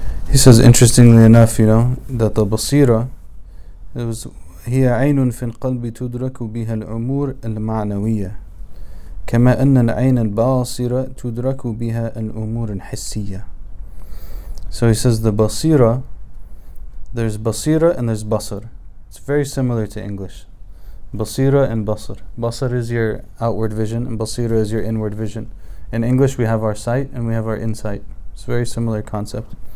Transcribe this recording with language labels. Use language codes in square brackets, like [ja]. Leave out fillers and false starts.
[en] He says, interestingly enough, you know, that the basira, it was [ar] هي عين في القلب تدرك بها الأمور المعنوية كما أن العين الباصرة تدرك بها الأمور الحسية. [en] So he says the basira, there's basira and there's basar. It's very similar to English. Basira and basar. Basar is your outward vision and basira is your inward vision. In English we have our sight and we have our insight. It's a very similar concept.